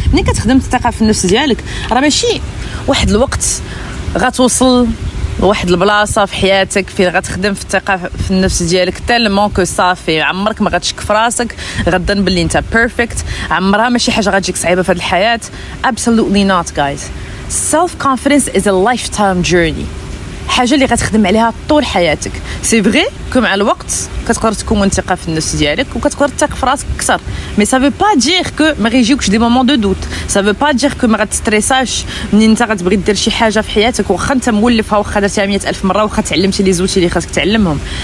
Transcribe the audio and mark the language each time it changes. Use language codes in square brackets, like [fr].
[ar] ملي كتخدم الثقة في النفس ديالك راه ماشي واحد الوقت غتوصل لواحد البلاصة في حياتك فين غتخدم في الثقة في النفس ديالك تالمون كو صافي عمرك ما غتشك في راسك غتظن بلي انت بيرفكت عمرها ماشي حاجة غتجيك صعيبة في هاد الحياة. [en] Absolutely not guys. Self-confidence is a lifetime journey. [ar] حاجه اللي غتخدم عليها طول حياتك. [fr] سي فري كو [ar] مع الوقت كتقدر تكون ثقه في النفس ديالك وكتقدر تثق في راسك اكثر. [fr] مي سا فو با دير كو [ar] ما غيجيوكش [fr] دي مومون دو دوت. سا فو با دير كو [ar] ما غتستريساش ملي انت غتبغي دير شي حاجه في حياتك واخا انت مولفها واخا درتيها 100000 مره واخا تعلمتي لي زوتي اللي خاصك تعلمهم.